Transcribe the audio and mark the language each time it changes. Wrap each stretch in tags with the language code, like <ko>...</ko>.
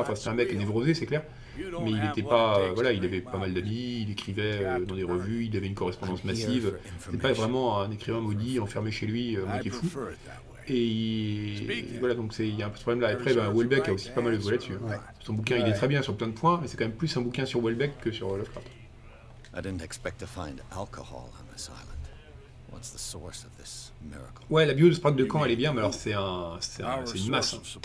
<fr>Enfin c'était un mec névrosé, c'est clair. Mais il n'était pas. Voilà, il avait pas mal d'amis, il écrivait dans des revues, il avait une correspondance massive. C'était pas vraiment un écrivain maudit, enfermé chez lui, moitié fou. Et voilà, donc il y a un peu ce problème-là. Après, ben, Houellebecq a aussi pas mal de volets là-dessus. Ouais. Son bouquin, il est très bien sur plein de points, mais c'est quand même plus un bouquin sur Houellebecq que sur Lovecraft.</fr> <en>I didn't expect to find alcohol on this island. What's the source of this miracle?</en> <fr>Ouais, la bio de Sprague de Caen, elle est bien, mais alors c'est un, c'est une masse.</fr>